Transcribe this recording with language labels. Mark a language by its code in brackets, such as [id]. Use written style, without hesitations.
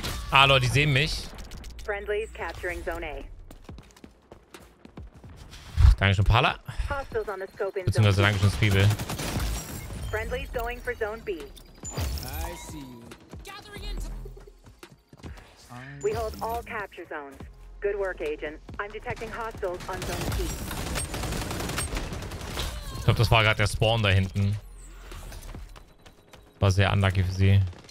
[de] Ah, Leute, die sehen mich. [en] Friendlies capturing zone A. [de] Puh, dankeschön, Pala. Beziehungsweise dankeschön, Zwiebel. [en] Friendlies going for zone B. I see you. Gathering into... We hold all capture zones. Good work, Agent. I'm detecting hostiles on zone C. [de] Ich glaube, das war gerade der Spawn da hinten. War sehr unlucky für sie.